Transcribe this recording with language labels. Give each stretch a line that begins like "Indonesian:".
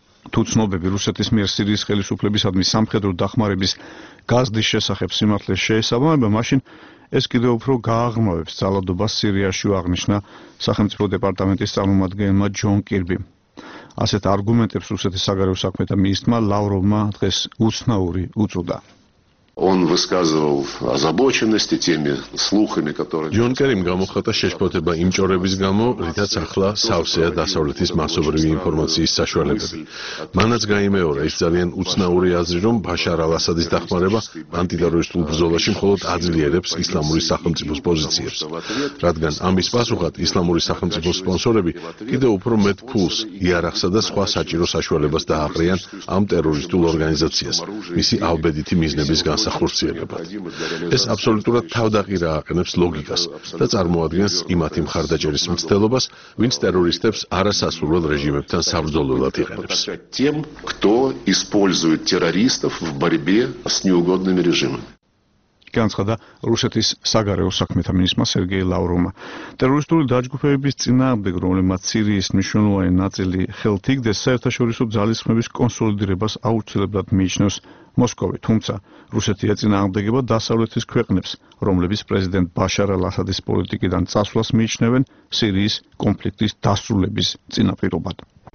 Georgian: თუ ცნობები რუსეთის მიერ სირიის ხელისუფლებისადმი სამხედრო დახმარების გაზრდის შესახებ სიმართლეს შეესაბამება, მაშინ ეს კიდევ უფრო გააღრმავებს ძალადობას სირიაში, აღნიშნა სახელმწიფო დეპარტამენტის წარმომადგენელმა ჯონ კირბი. ასეთ არგუმენტებს რუსეთის საგარეო საქმეთა მინისტრმა ლავროვმა დღეს უცნაური უწოდა.
Russian: Он высказывал озабоченности теми слухами, которые
Georgian: Джон Керим გამოხატა შეშფოთება იმ ჭორების გამო, რითაც ახლა სავსეა დასავლეთის მასობრივი ინფორმაციის საშუალებები. მანაც გამოიმეორა ის ძალიან უცნაური აზრი, რომ ბაშარ ალ-ასადის დახმარება ანტიტერორისტულ ბრძოლაში მხოლოდ აძლიერებს ისლამური სახელმწიფოს პოზიციებს, რადგან ამის პასუხად ისლამური სახელმწიფოს სპონსორები კიდევ უფრო მეტ ფულს, იარაღსა და სხვა საჭირო საშუალებას დააყრიან ამ ტერორისტულ ორგანიზაციას. მისი ალბედიტი მიზნები განსახორციელებად. ეს აბსოლუტურად თავდაყირა აყენებს ლოგიკას და წარმოადგენს იმათი მხარდაჭერის მცდელობას, ვინც ტერორისტებს არასასურველ რეჟიმებთან საბრძოლველად იყენებს.
Russian: Тем, кто использует террористов в борьбе с неугодными режимами.
Georgian: განცხადა რუსეთის საგარეო საქმეთა მინისტრმა სერგეი ლავროვმა. ტერორისტული დაჯგუფების წინააღმდეგ, რომლებმაც სირიის მნიშვნელოვანი ნაწილი ხელთ იგდეს, საერთაშორისო ძალისხმების კონსოლიდირებას აუცილებლად მიიჩნევს მოსკოვი. თუმცა რუსეთი ეწინააღმდეგება დასავლეთის ქვეყნებს, რომლებიც პრეზიდენტ ბაშარ ალ-ასადის პოლიტიკიდან წასვლას მიიჩნევენ სირიის კონფლიქტის დასრულების წინაპირობად.